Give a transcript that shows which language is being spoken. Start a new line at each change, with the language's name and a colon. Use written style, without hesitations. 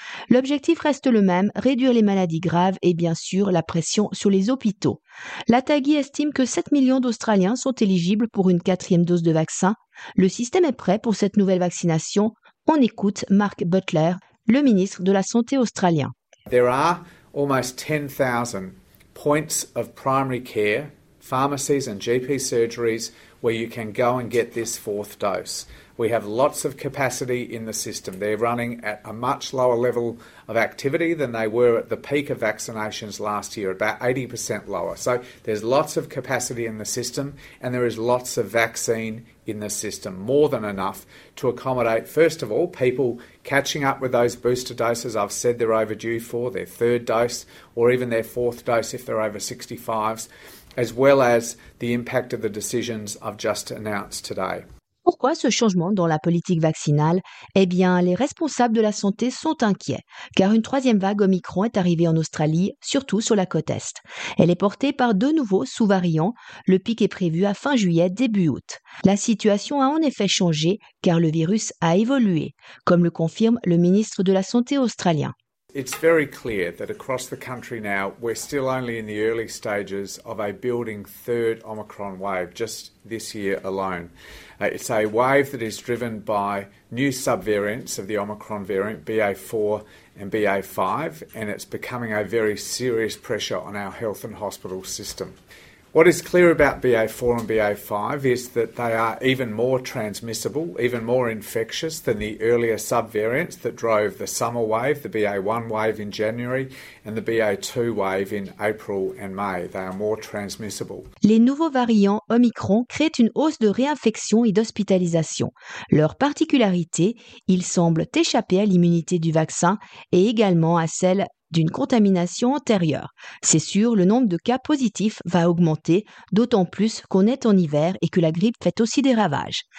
French: L'objectif reste le même, réduire les maladies graves et bien sûr la pression sur les hôpitaux. L'ATAGI estime que 7 millions d'Australiens sont éligibles pour une quatrième dose de vaccin. Le système est prêt pour cette nouvelle vaccination. On écoute Mark Butler, le ministre de la Santé australien.
English: There are almost 10,000 points of primary care, pharmacies and GP surgeries where you can go and get this fourth dose. We have lots of capacity in the system. They're running at a much lower level of activity than they were at the peak of vaccinations last year, about 80% lower. So there's lots of capacity in the system and there is lots of vaccine in the system, more than enough to accommodate, first of all, people catching up with those booster doses I've said they're overdue for, their third dose or even their fourth dose if they're over 65s, as well as the impact of the decisions I've just announced today.
French: Pourquoi ce changement dans la politique vaccinale? Eh bien, les responsables de la santé sont inquiets, car une troisième vague Omicron est arrivée en Australie, surtout sur la côte Est. Elle est portée par deux nouveaux sous-variants. Le pic est prévu à fin juillet, début août. La situation a en effet changé, car le virus a évolué, comme le confirme le ministre de la Santé australien.
English: It's very clear that across the country now, we're still only in the early stages of a building third Omicron wave just this year alone. It's a wave that is driven by new subvariants of the Omicron variant, BA4 and BA5, and it's becoming a very serious pressure on our health and hospital system. What is clear about BA4 and BA5 is that they are even more transmissible, even more infectious than the earlier subvariants that drove the summer wave, the BA1 wave in January, and the BA2 wave in April and May. They are more transmissible.
French: Les nouveaux variants Omicron créent une hausse de réinfection et d'hospitalisation. Leur particularité, ils semblent échapper à l'immunité du vaccin et également à celle d'une contamination antérieure. C'est sûr, le nombre de cas positifs va augmenter, d'autant plus qu'on est en hiver et que la grippe fait aussi des ravages.